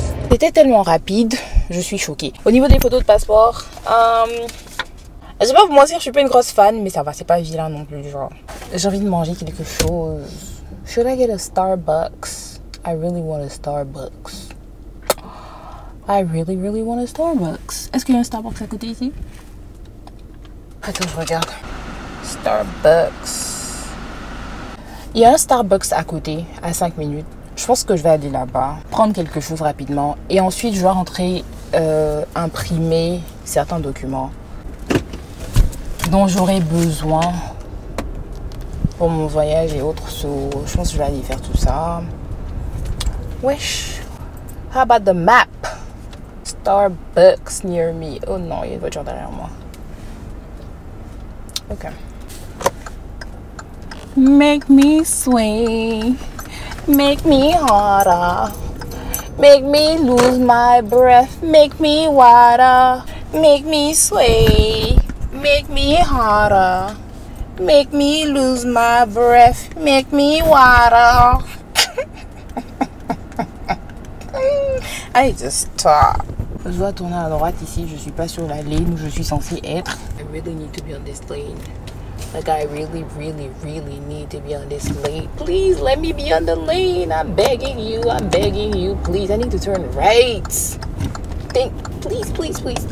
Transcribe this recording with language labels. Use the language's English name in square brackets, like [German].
[French] C'était tellement rapide, je suis choquée. Au niveau des photos de passeport, je vais pas vous mentir, je suis pas une grosse fan, mais ça va, c'est pas vilain non plus. Genre, j'ai envie de manger quelque chose. [English] Should I get a Starbucks? I really want a Starbucks. I really, really want a Starbucks. [French] Est-ce qu'il y a un Starbucks à côté ici? Attends, je regarde. Starbucks. Il y a un Starbucks à côté, à 5 minutes. Je pense que je vais aller là-bas, prendre quelque chose rapidement. Et ensuite, je vais rentrer imprimer certains documents dont j'aurai besoin pour mon voyage et autres. So, je pense que je vais aller faire tout ça. Wesh. [English] How about the map? Starbucks near me. [French] Oh non, il y a une voiture derrière moi. [English] Ok. Make me sway, make me hotter, make me lose my breath, make me water, make me sway, make me hotter, make me lose my breath, make me water. I just stop. [French] Je dois tourner à droite ici, je suis pas sur la ligne où je suis censée être. [English] I really need to be on this lane. Like, I really, really, really need to be on this lane. Please, let me be on the lane. I'm begging you, please. I need to turn right. Thank, please, please, please.